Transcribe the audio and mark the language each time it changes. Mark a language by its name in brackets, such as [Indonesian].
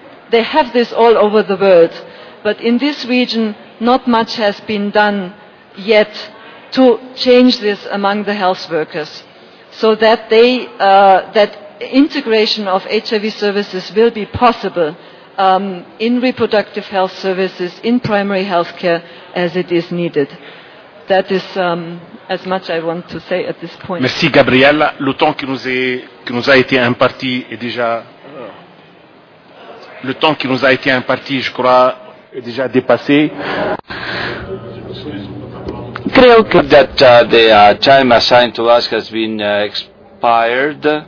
[English] They have this all over the world, but in this region not much has been done yet to change this among the health workers, so that they that integration of HIV services will be possible in reproductive health services, in primary health care, as it is needed. That is as much I want to say at this point. [French] Merci, Gabriella. Le temps qui nous a été imparti est déjà je crois, est déjà dépassé. [Spanish] Creo que [English] that the time assigned to us has been expired.